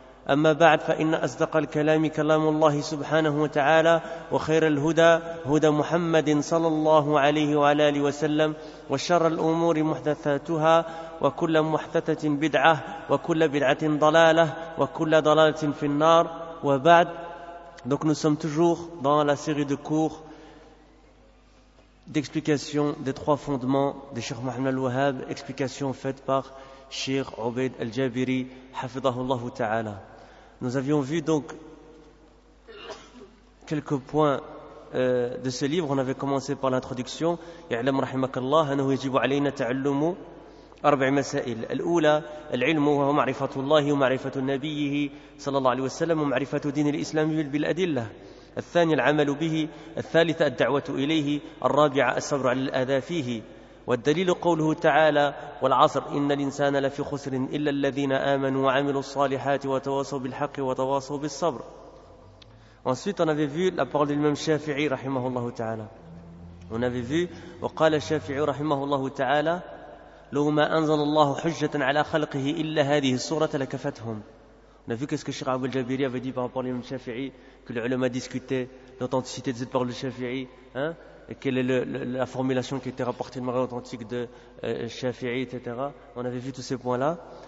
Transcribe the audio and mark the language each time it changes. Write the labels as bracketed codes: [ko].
[ar] أما بعد، فإن أصدق الكلام كلام الله سبحانه وتعالى، وخير الهدى هدى محمد صلى الله عليه وعلى آله وسلم، وشر الأمور محدثاتها، وكل محدثة بدعة، وكل بدعة ضلالة، وكل ضلالة في النار. وبعد، [fr] donc nous sommes toujours dans la série de cours d'explication des trois fondements de Cheikh Mohamed Al-Wahhab, explication faite par Cheikh Obaid Al-Jabiri, hafidhahullah ta'ala. Nous avions vu donc quelques points de ce livre. On avait commencé par l'introduction. [ar] Ya'lam rahimakallah annahu yajibu alayna ta'allumu أربع مسائل. الأولى العلم، وهو معرفة الله ومعرفة نبيه صلى الله عليه وسلم ومعرفة دين الإسلام بالأدلة. الثاني العمل به. الثالثة الدعوة إليه. الرابعة الصبر على الأذى فيه. والدليل قوله تعالى والعصر، إن الإنسان لفي خسر إلا الذين آمنوا وعملوا الصالحات وتواصوا بالحق وتواصوا بالصبر. [fr] Ensuite on avait vu la parole de l'imam Shafi'i [ar] رحمه الله تعالى. [fr] On avait vu [ar] وقال Shafi'i رحمه الله تعالى لو ما أنزل الله حجة على خلقه إلا هذه الصورة لكفتهم. [fr] On a vu qu'est-ce que Cheikh Abu Jabiri avait dit par rapport à l'imam Shafi'i, que les ulama discutaient l'authenticité de cette parole de Shafi'i, hein, et quelle est la formulation qui était rapportée de manière authentique de Shafi'i, etc. On avait vu tous ces points-là.